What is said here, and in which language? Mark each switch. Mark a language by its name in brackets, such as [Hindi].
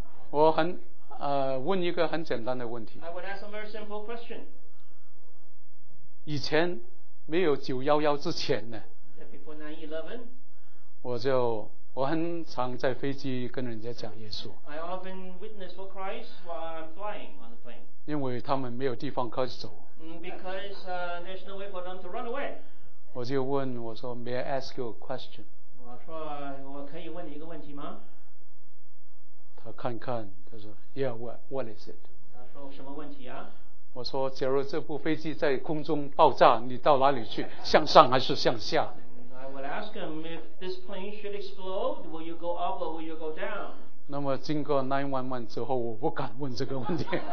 [Chinese] 我很问一个很简单的问题。 [English] I would ask a very simple question. [Chinese] 以前没有911之前呢。 [English] Before 9/11. [Chinese] 我很常在飞机跟人家讲耶稣。 [English] I often witness for Christ while I'm flying on the plane. [Chinese] 因为他们没有地方可以走。 [English] Because there's no way for them to run away. [Chinese] 我就问我说 [English] ，May I ask you a question? [Chinese] 我说我可以问你一个问题吗？他看看，他说 [English] ，Yeah, what is it? [Chinese] 他说什么问题啊？我说，假如这部飞机在空中爆炸，你到哪里去？向上还是向下 [English] ？I would ask him if this plane should explode, will you go up or will you go down? [Chinese] 那么经过911之后，我不敢问这个问题。